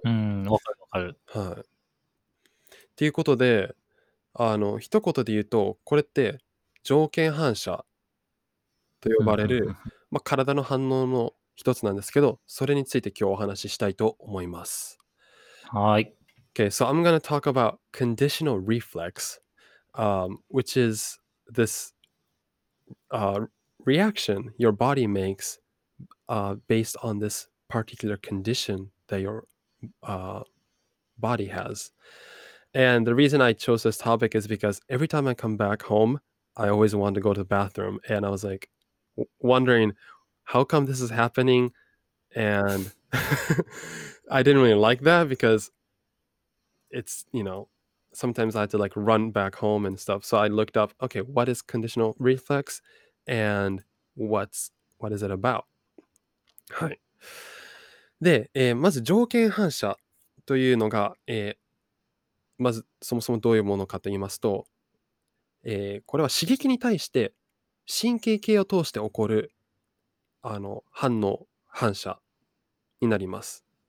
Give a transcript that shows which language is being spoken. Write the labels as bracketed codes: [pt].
[ja] うん、わかるわかる。はい。ということで、あの、一言で言うと、これって条件反射と呼ばれる、まあ、体の反応の一つなんですけど、それについて今日お話ししたいと思います。はい。 [en] Okay, so I'm going to talk about conditional reflex, which is this reaction your body makes based on this particular condition that your body has. And the reason I chose this topic is because every time I come back home, I always want to go to the bathroom. And I was like, wondering how come this is happening, and I didn't really like that because it's, you know, sometimes I had to like run back home and stuff. So I looked up, okay, what is conditional reflex and what is it about? [ja] はい。で、まず条件反射というのが、まずそもそもどういうものかと言いますと、これは刺激に対して神経系を通して起こる、あの、反応、反射になります。